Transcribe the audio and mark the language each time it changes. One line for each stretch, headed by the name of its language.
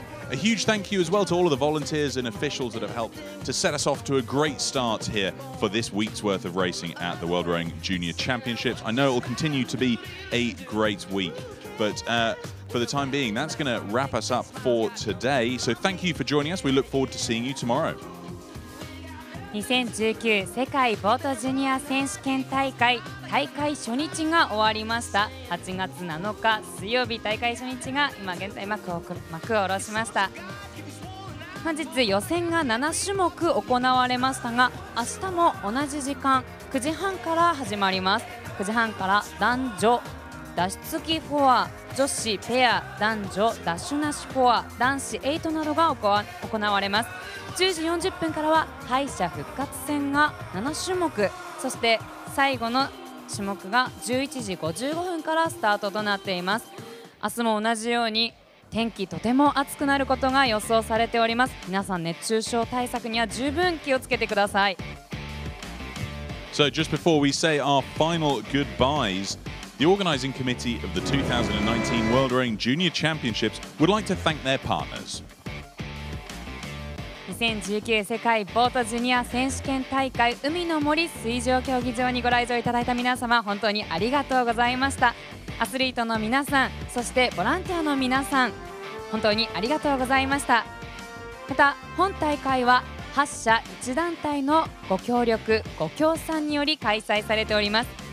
English: A huge thank you as well to all of the volunteers and officials that have helped to set us off to a great start here for this week's worth of racing at the World Rowing Junior Championships. I know it will continue to be a great week, but for the time being, that's going to wrap us up for today. So thank you for joining us. We look forward to seeing you tomorrow.
Japanese: 2019世界ボートジュニア選手権大会、大会初日が終わりました。 8月7日水曜日、大会初日が今現在幕を下ろしました。本日予選が7種目行われましたが、明日も同じ時間9時半から始まります。 9時半から男女ダッシュ付きフォア、女子ペア、男女ダッシュなしフォア、男子エイトなどが行われます。 10時40分からは敗者復活戦が7種目、そして最後の種目が11時55分からスタートとなっています。明日も同じように天気とても暑くなることが予想されております。皆さん熱中症対策には十分気をつけてください。
English: So just before we say our final goodbyes, the organizing committee of the 2019 World Rowing Junior Championships would like to thank their partners.
Japanese: 2019世界ボートジュニア選手権大会海の森水上競技場にご来場いただいた皆様、本当にありがとうございました。アスリートの皆さん、そしてボランティアの皆さん、本当にありがとうございました。また本大会は8社1団体のご協力ご協賛により開催されております。